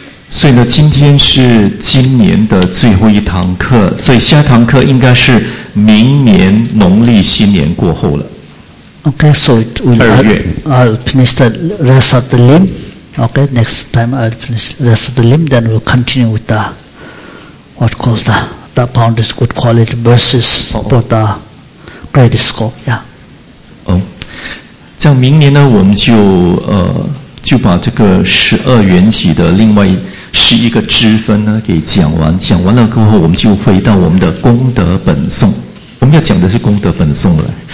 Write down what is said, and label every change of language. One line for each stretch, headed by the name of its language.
Chinese: 所以呢，今天是今年的最后一堂课，所以下堂课应该是明年农历新年过后了。
English: Okay, so it will, I'll finish the rest of the limb. Okay, next time I'll finish the rest of the limb, then we'll continue with the, what called the boundless good quality verses for the great scope, yeah.
Chinese: 这样明年呢，我们就就把这个十二缘起的另外十一个支分呢给讲完，讲完了过后，我们就回到我们的功德本颂。我们要讲的是功德本颂了。